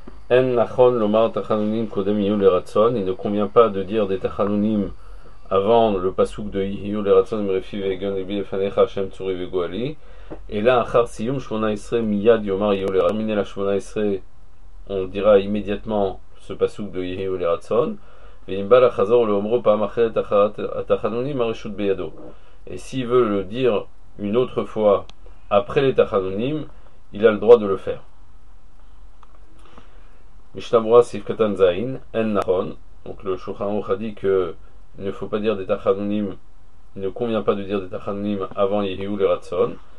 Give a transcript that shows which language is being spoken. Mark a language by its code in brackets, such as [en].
[he] אין נכון לומר תחנונים קודם יהיו לרצון. [fr] Il ne convient pas de dire des תחנונים avant le פסוק de [he] יהיו לרצון מרפי והגיון לבי לפניך השם צורי וגואלי. אלא אחר סיום 18 מיד יאמר יהיו לרצון. [fr] Terminé la 18, on dira immédiatement ce פסוק de יהיו לרצון. [he] ואם בא לחזור לאומרו פעם אחרת התחנונים הרשות בידו. [fr] Et s'il veut le dire une autre fois après les תחנונים, il a le droit de le faire. Mishnah Brura Sif Katan Zain, En Nahon. Donc le Shulchan Aruch a dit que il ne faut pas dire des Tachanonim, il ne convient pas de dire des Tachanonim avant Yehiou le Ratson.